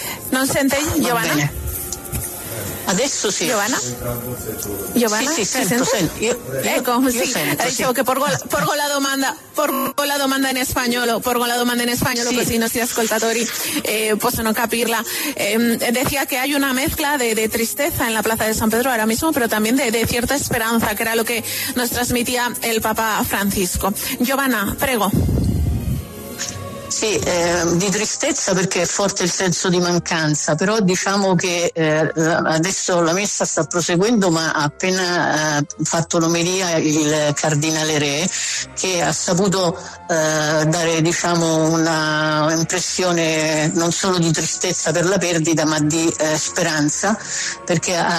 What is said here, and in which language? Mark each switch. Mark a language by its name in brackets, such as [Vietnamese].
[Italian] Non sente Giovanna? Bene. Adesso sì. Giovanna? Sì, sì, sento. Ecco, sì, dicevo che porgo la domanda. Porgo la domanda in spagnolo, sí. Così i nostri ascoltatori possono capirla. [Spanish] Decía [Italian] che [Spanish] hay una mezcla de tristeza en la plaza de San Pedro ahora mismo, pero también de cierta esperanza, que era lo que nos transmitía el Papa Francisco. [Italian] Giovanna, prego. Sì, di tristezza perché è forte il senso di mancanza, però diciamo che adesso la messa sta proseguendo, ma ha appena fatto l'omelia il cardinale Re, che ha saputo dare diciamo una impressione non solo di tristezza per la perdita, ma di speranza, perché